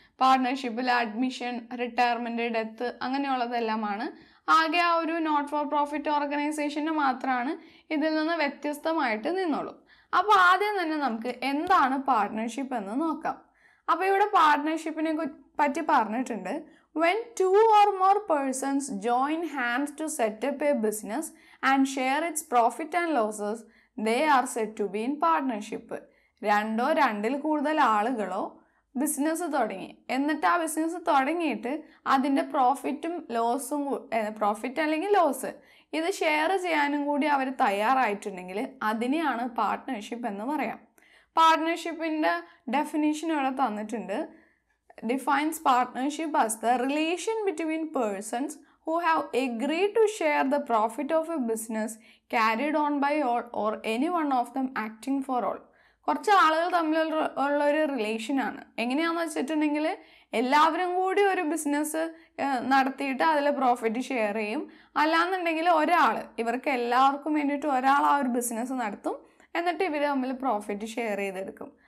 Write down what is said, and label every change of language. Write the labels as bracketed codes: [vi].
[ml] പാർട്ട്നർഷിപ്പിൽ admission, retirement, death അങ്ങനെയുള്ളതെല്ലാമാണ്. ആകെ ആ ഒരു നോട്ട് ഫോർ പ്രോഫിറ്റ് ഓർഗനൈസേഷന് മാത്രമാണ് ഇതിൽ നിന്ന് വ്യത്യസ്തമായിട്ട് നിന്നുള്ളൂ. അപ്പോൾ ആദ്യം തന്നെ നമുക്ക് എന്താണ് പാർട്ട്നർഷിപ്പ് എന്ന് നോക്കാം. അപ്പോൾ ഇവിടെ പാർട്ട്നർഷിപ്പിനെ പറ്റി പറഞ്ഞിട്ടുണ്ട്. [en] When two or more persons join hands to set up a business and share its profit and losses, they are said to be in partnership. [ml] രണ്ടോ രണ്ടിൽ കൂടുതൽ ആളുകളോ ബിസിനസ് തുടങ്ങി, എന്നിട്ട് ആ ബിസിനസ് തുടങ്ങിയിട്ട് അതിൻ്റെ പ്രോഫിറ്റും ലോസും, പ്രോഫിറ്റ് അല്ലെങ്കിൽ ലോസ് ഇത് ഷെയർ ചെയ്യാനും കൂടി അവർ തയ്യാറായിട്ടുണ്ടെങ്കിൽ അതിനെയാണ് പാർട്ട്നർഷിപ്പ് എന്ന് പറയാം. പാർട്ട്നർഷിപ്പിൻ്റെ ഡെഫിനിഷൻ ഇവിടെ തന്നിട്ടുണ്ട്. [en] Defines partnership as the relation between persons who have agreed to share the profit of a business carried on by all or any one of them acting for all. [ml] കുറച്ച് ആളുകൾ തമ്മിലുള്ള ഒരു relation ആണ്. എങ്ങനെയാണെന്ന് വെച്ചിട്ടുണ്ടെങ്കിൽ എല്ലാവരും കൂടി ഒരു ബിസിനസ് നടത്തിയിട്ട് അതിൽ പ്രോഫിറ്റ് ഷെയർ ചെയ്യും. അല്ലാന്നുണ്ടെങ്കിൽ ഒരാൾ, ഇവർക്ക് എല്ലാവർക്കും വേണ്ടിയിട്ട് ഒരാൾ ആ ഒരു ബിസിനസ് നടത്തും, എന്നിട്ട് ഇവർ തമ്മിൽ പ്രോഫിറ്റ് ഷെയർ ചെയ്തെടുക്കും.